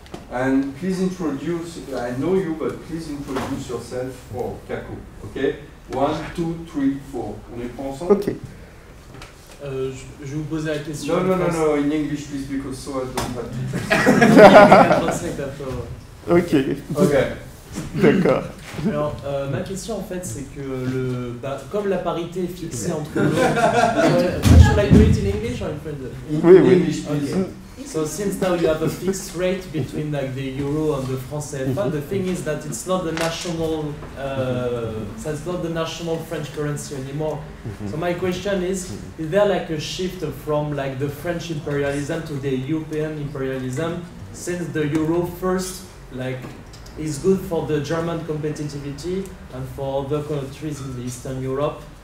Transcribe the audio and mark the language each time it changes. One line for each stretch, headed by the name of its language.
English: And please introduce, I know you, but please introduce yourself for Kako, okay?
French: 1, 2, 3, 4. On est pas ensemble?
English: Okay.
French: Je vais vous poser la question.
English: No, in English, please, because so I don't have to translate that for... Okay. Okay.
French: D'accord. Alors, ma question, en fait, c'est que comme la parité est fixée entre l'autre...
English: should I do it in English or in French?
French: Oui.
English: English, please. Okay. So since now you have a fixed rate between like the euro and the franc CFA, the thing is that it's not the national, French currency anymore. Mm-hmm. So my question is there like a shift from like the French imperialism to the European imperialism, since the euro first like is good for the German competitivity and for other countries in Eastern Europe?